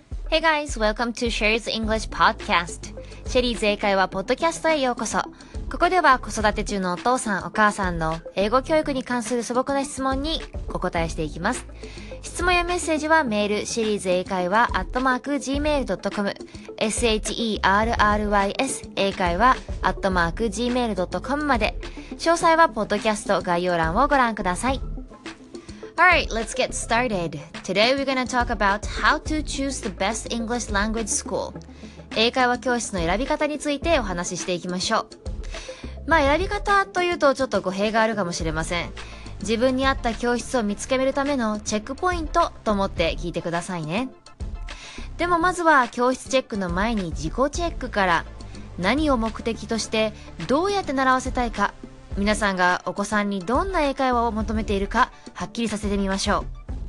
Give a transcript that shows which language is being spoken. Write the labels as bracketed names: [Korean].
[English] Hey guys, welcome to Sherry's English Podcast. [Japanese] Sherry's 英会話ポッドキャストへようこそ。ここでは子育て中のお父さん、お母さんの英語教育に関する素朴な質問にお答えしていきます。質問やメッセージはメール、Sherry's 英会話 @gmail.com、Sherry's 英会話 @gmail.com まで。詳細はポッドキャスト概要欄をご覧ください。 [English] Alright, let's get started. Today we're going to talk about how to choose the best English language school. [Japanese] 英会話教室の選び方についてお話ししていきましょう。まあ選び方というとちょっと語弊があるかもしれません。自分に合った教室を見つけるためのチェックポイントと思って聞いてくださいね。でもまずは教室チェックの前に自己チェックから、何を目的としてどうやって習わせたいか、皆さんがお子さんにどんな英会話を求めているかはっきりさせてみましょう。